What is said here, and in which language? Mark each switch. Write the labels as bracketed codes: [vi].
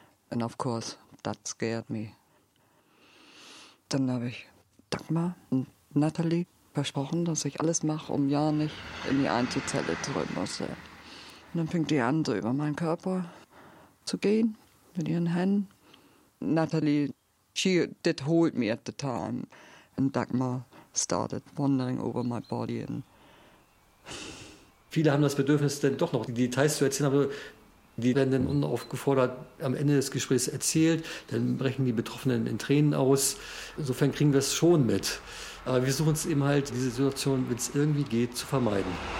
[en] And of course, that scared me. [de] Dann habe ich Dagmar und Natalie versprochen, dass ich alles mache, um ja nicht in die Einzelzelle zurück muss. Und dann fing die an, so über meinen Körper zu gehen, mit ihren Händen. [en] Natalie, she did hold me at the time. And Dagmar started wandering over my body. And [de] viele haben das Bedürfnis, denn doch noch die Details zu erzählen, aber die werden dann unaufgefordert am Ende des Gesprächs erzählt. Dann brechen die Betroffenen in Tränen aus. Insofern kriegen wir es schon mit. Aber wir suchen es eben halt, diese Situation, wenn es irgendwie geht, zu vermeiden.